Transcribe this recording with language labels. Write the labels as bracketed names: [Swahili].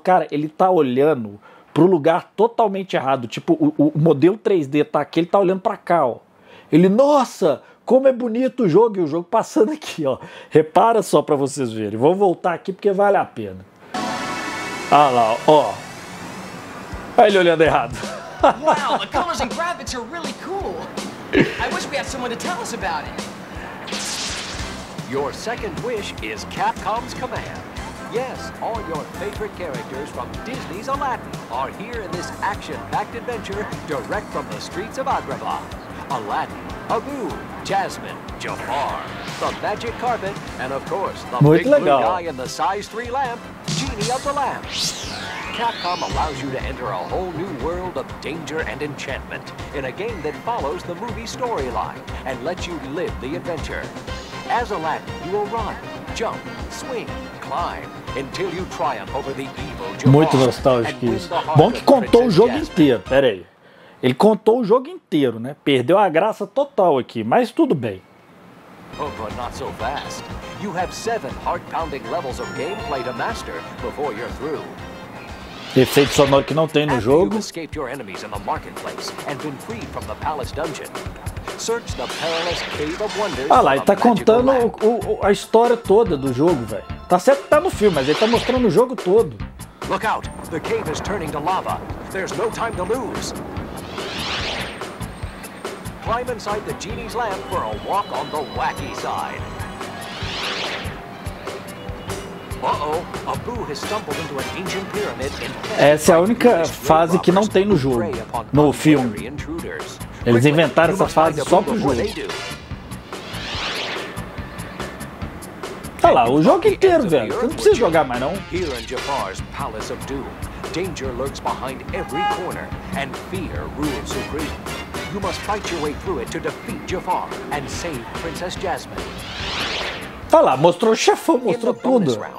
[Portuguese] Cara, ele tá olhando pro lugar totalmente errado. Tipo, o modelo 3D tá aqui, ele tá olhando pra cá, ó. Ele, nossa, como é bonito o jogo, e o jogo passando aqui, ó. Repara só pra vocês verem. Vou voltar aqui porque vale a pena. Olha lá, ó. Olha ele olhando errado. [English] Wow, the colors and graphics are really cool. I wish we had someone to tell us about it. Your second wish is Capcom's command. Yes, all your favorite characters from Disney's Aladdin are here in this action-packed adventure direct from the streets of Agrabah. Aladdin, Abu, Jasmine, Jafar, the magic carpet, and of course, the [Portuguese] muito [English] big [Portuguese] legal. [English] Blue guy in the size 3 lamp, Genie of the Lamp. Capcom allows you to enter a whole new world of danger and enchantment in a game that follows the movie storyline and lets you live the adventure. As Aladdin, you will run, jump, swing, climb, until you triumph over the evil Jafar. [Portuguese] Muito nostálgico isso. Bom que contou o jogo inteiro, peraí. Ele contou o jogo inteiro, né? Perdeu a graça total aqui, mas tudo bem. [English] Oh, but not so fast. You have 7 heart-pounding levels of gameplay to master before you're through. [Portuguese] Efeito sonoro que não tem no jogo. [English] After you've escaped your enemies in the marketplace and been freed from the palace dungeon, search the perilous cave of wonders. [Portuguese] Ah lá, ele tá contando a história toda do jogo, velho. Tá certo que tá no filme, mas ele tá mostrando o jogo todo. [English] Look out! The cave is turning to lava. There's no time to lose. Climb inside the genie's lamp for a walk on the wacky side. Uh-oh, Abu has stumbled into an ancient pyramid. [Portuguese] Essa é a única fase que não tem no jogo, no filme. Eles inventaram essa fase só pro jogo. Olha lá, o jogo inteiro, velho. Você não precisa jogar mais, não. [English] Here in Jafar's Palace of Doom, danger lurks behind every corner, and fear rules supreme. You must fight your way through it to defeat Jafar and save Princess Jasmine. [Portuguese] Tá lá, mostrou o chefão, mostrou tudo.